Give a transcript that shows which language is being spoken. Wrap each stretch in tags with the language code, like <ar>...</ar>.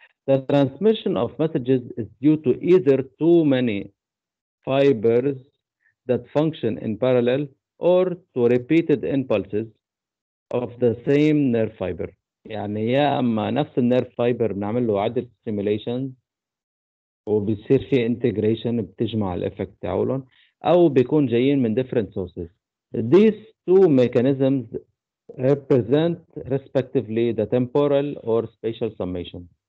<en>the transmission of messages is due to either too many fibers that function in parallel or to repeated impulses of the same nerve fiber.</en> <ar>يعني يا اما نفس النيرف فايبر بنعمل له عدة ستيميليشن وبيصير في انتجريشن بتجمع الافكت تاعهم، او بيكون جايين من</ar> <en>different sources. these two mechanisms represent respectively the temporal or spatial summation.</en>